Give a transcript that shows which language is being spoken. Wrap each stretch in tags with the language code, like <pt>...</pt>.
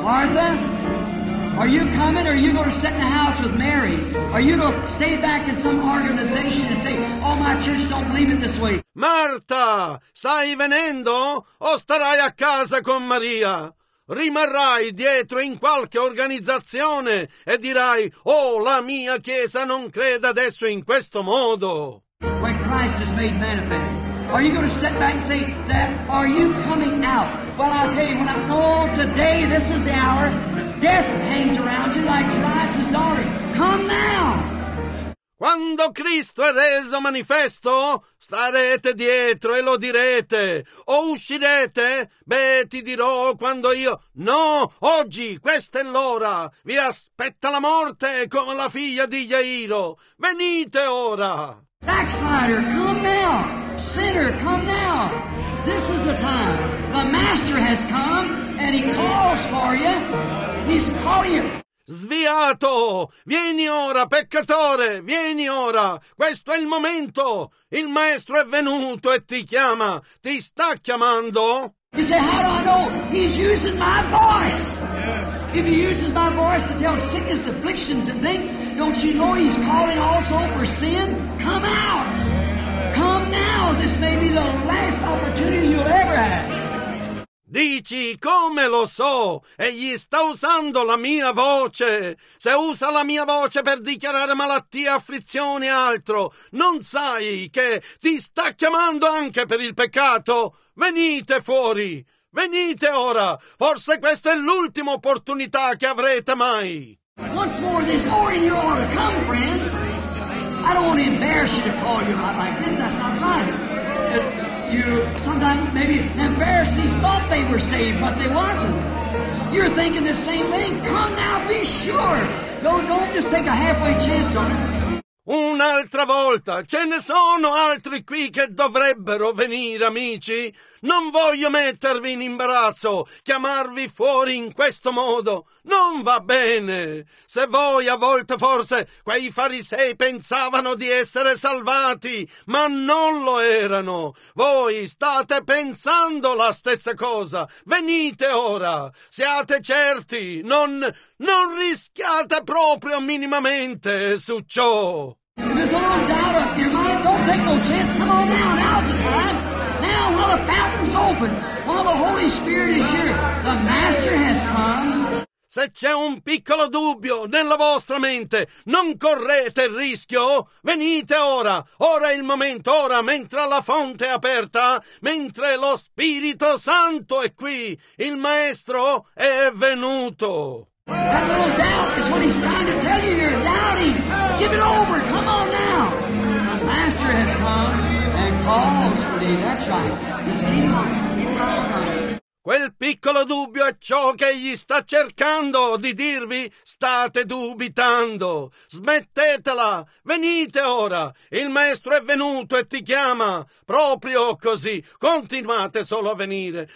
<en>Martha, are you coming or are you going to sit in the house with Mary? Are you going to stay back in some organization and say, oh, my church don't believe it this way?</en> <it>Marta, stai venendo o starai a casa con Maria? Rimarrai dietro in qualche organizzazione e dirai, oh, la mia chiesa non crede adesso in questo modo.</it> <en>When Christ is made manifest, are you going to sit back and say that? Are you coming out? Well, I'll tell you, when I call today, this is the hour, death hangs around you like Jairus's daughter. Come now!</en> <it>Quando Cristo è reso manifesto, starete dietro e lo direte. O uscirete? Beh, ti dirò quando io... No, oggi, questa è l'ora. Vi aspetta la morte come la figlia di Jairo. Venite ora!</it> <en>Backslider, come now! Sinner, come now! This is the time. The Master has come and he calls for you. He's calling you.</en> <it>Sviato, vieni ora, peccatore, vieni ora, questo è il momento, il maestro è venuto e ti chiama, ti sta chiamando.</it> <en>You say, how do I know? He's using my voice. If he uses my voice to tell sickness, afflictions and things, don't you know he's calling also for sin? Come out, come now, this may be the last opportunity you'll ever have.</en> <it>Dici, come lo so? Egli sta usando la mia voce. Se usa la mia voce per dichiarare malattie, afflizioni e altro, non sai che ti sta chiamando anche per il peccato? Venite fuori! Venite ora! Forse questa è l'ultima opportunità che avrete mai!</it> <en>Once more, this more in your order. Come, friends! I don't want to embarrass you to call you out like this. That's not right. You sometimes maybe embarrassees thought they were saved, but they wasn't. You're thinking the same thing. Come now, be sure. Don't just take a halfway chance on it.</en> <it>Un'altra volta, ce ne sono altri qui che dovrebbero venire, amici. Non voglio mettervi in imbarazzo, chiamarvi fuori in questo modo. Non va bene. Se voi a volte forse quei farisei pensavano di essere salvati, ma non lo erano. Voi state pensando la stessa cosa. Venite ora. Siate certi. Non rischiate proprio minimamente su ciò.</it> <en>There's all doubt of your mind. Don't take no chance. Come on now. Now's the time. Now, while the fountain's open, while the Holy Spirit is here, the Master has come.</en> <it>Se c'è un piccolo dubbio nella vostra mente, non correte il rischio. Venite ora. Ora è il momento. Ora, mentre la fonte è aperta, mentre lo Spirito Santo è qui, il Maestro è venuto.</it> <en>That little doubt is what he's trying to tell you. You're doubting. Give it over. Come on now. The Master has come and calls for thee. That's right. He's came on. He's come on.</en> <it>Quel piccolo dubbio è ciò che egli sta cercando di dirvi. State dubitando. Smettetela. Venite ora. Il Maestro è venuto e ti chiama. Proprio così. Continuate solo a venire.</it>